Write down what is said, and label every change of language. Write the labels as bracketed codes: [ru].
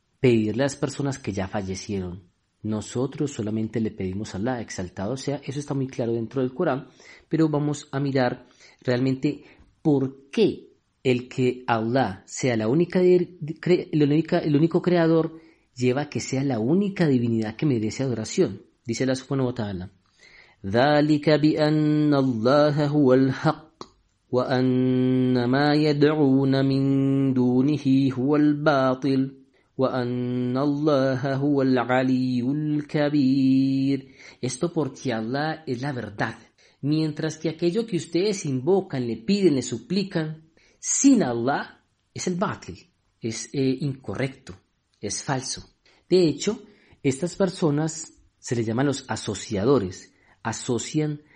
[es] Pedirle a las personas que ya fallecieron. Nosotros solamente le pedimos a Allah, exaltado sea. Eso está muy claro dentro del Corán. Pero vamos a mirar realmente por qué el que Allah sea el único creador lleva a que sea la única divinidad que merece adoración. Dice la Subhanahu wa Ta'ala. [ar] ذلك بأن الله هو الحق وأن ما يدعون من دونه هو الباطل وأن الله هو العلي الكبير. [es] Esto porque Allah es la verdad. Mientras que aquello que ustedes invocan, le piden, le suplican, sin Allah es el batil, es incorrecto, es falso. De hecho, estas personas se les llaman los asociadores. Asocian